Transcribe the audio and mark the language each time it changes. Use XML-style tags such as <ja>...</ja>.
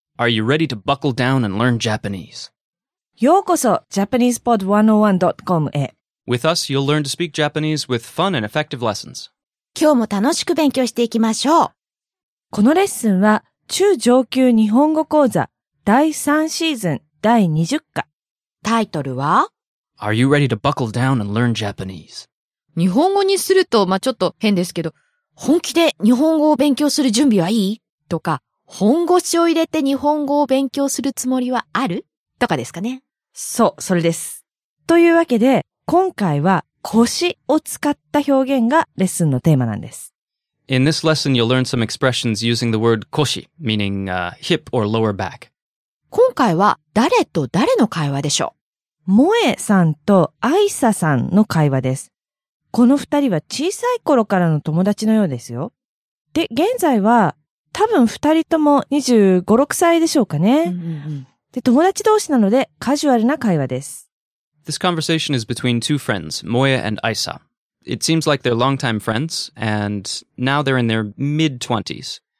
<en>Are you ready to buckle down and learn Japanese?</en> <ja>ようこそ JapanesePod101.com へ。</ja> <en>With us, you'll learn to speak Japanese with fun and effective lessons.</en> <ja>今日も楽しく勉強していきましょう。このレッスンは中上級日本語講座第3シーズン第20課。タイトルは</ja> <en>Are you ready to buckle down and learn Japanese?</en> <ja>日本語にすると、まあ、ちょっと変ですけど、本気で日本語を勉強する準備はいい? とか、本腰を入れて日本語を勉強するつもりはある? とかですかね。そう、それです。というわけで、今回は腰を使った表現がレッスンのテーマなんです。</ja> <en>In this lesson, you'll learn some expressions using the word 腰, meaning, hip or lower back.</en> <ja>今回は誰と誰の会話でしょう? 萌さんとアイサさんの会話です。この二人は小さい頃からの友達のようですよ。で、現在は多分二人とも25、6歳でしょうかね。うんうん、で、友達同士なのでカジュアルな会話です。</ja> <en>This conversation is between two friends, Moya and Aisa. It seems like they're longtime friends, and now they're in their mid-20s.</en>